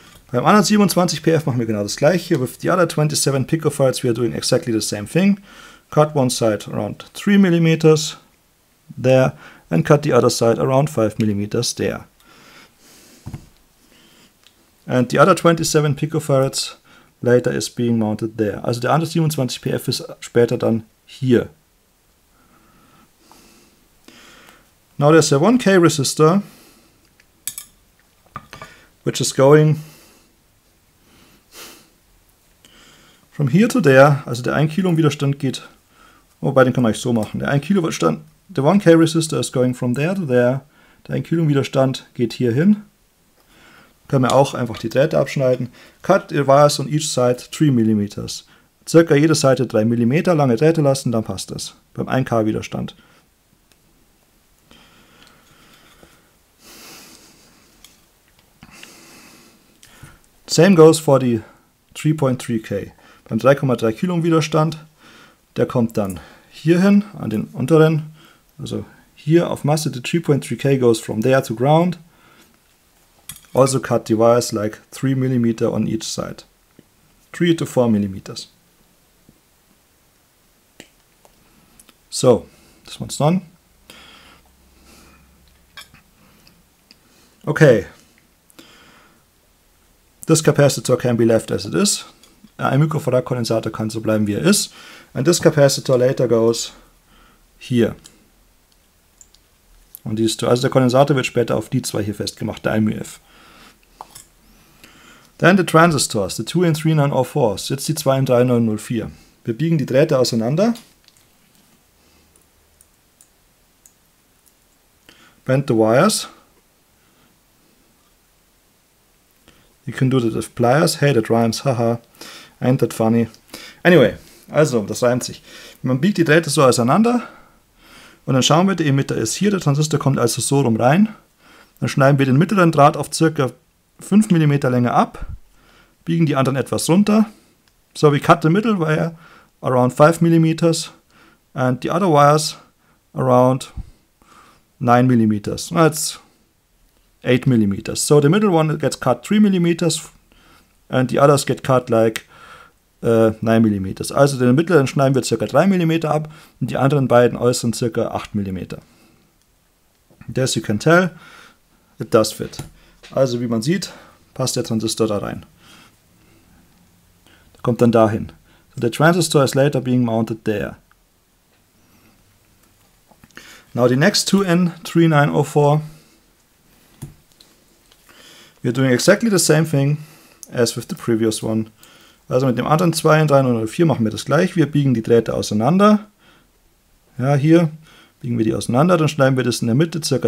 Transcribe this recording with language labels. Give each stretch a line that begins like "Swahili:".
German: Beim anderen 27 PF machen wir genau das gleiche.
English: With the other 27 picofarads, we are doing exactly the same thing. Cut one side around 3 mm there and cut the other side around 5 mm there. And the other 27 picofarads later is being mounted there.
German: Also der andere 27 PF ist später dann hier.
English: Now there's a 1K resistor, which is going from here to there.
German: Also der 1 Kilo Widerstand geht, oh, bei den kann man eigentlich so machen. Der 1 Kilo Widerstand,
English: the 1K resistor is going from there to there.
German: Der 1 Kilo Widerstand geht hier hin. Können wir auch einfach die Drähte abschneiden.
English: Cut the wires on each side 3 mm.
German: Circa jede Seite 3 mm lange Drähte lassen, dann passt das. Beim 1K Widerstand.
English: Same goes for the 3.3K.
German: Beim 3,3 Kilo Widerstand, der kommt dann hier hin, an den unteren, also hier auf Masse,
English: the 3.3K goes from there to ground. Also cut the wires like 3 mm on each side. 3 to 4 mm. So, this one's done. Okay. This capacitor can be left as it is.
German: Ein Mikrofarad-Kondensator kann so bleiben, wie er ist.
English: And this capacitor later goes here.
German: Und dies, also der Kondensator wird später auf die zwei hier festgemacht, der IMUF.
English: Then the transistors, the 2 and 3904,
German: jetzt die
English: 2 and 3904.
German: Wir biegen die Drähte auseinander.
English: Bend the wires. You can do that with pliers. Hey, that rhymes, haha. Ain't that funny?
German: Anyway, also, das reimt sich. Man biegt die Drähte so auseinander und dann schauen wir, der Emitter ist hier, der Transistor kommt also so rum rein. Dann schneiden wir den mittleren Draht auf ca. 5 mm Länge ab, biegen die anderen etwas runter.
English: So, we cut the middle wire around 5 mm and the other wires around 9 mm. That's 8 mm. So, the middle one gets cut 3 mm and the others get cut like 9 mm.
German: Also den mittleren schneiden wir ca. 3 mm ab und die anderen beiden äußeren ca. 8 mm.
English: And as you can tell, it does fit.
German: Also wie man sieht, passt der Transistor da rein. Der kommt dann dahin.
English: So the transistor is later being mounted there. Now the next 2N3904. We are doing exactly the same thing as with the previous one.
German: Also mit dem anderen 2N3904 machen wir das gleich. Wir biegen die Drähte auseinander. Ja, hier biegen wir die auseinander. Dann schneiden wir das in der Mitte ca.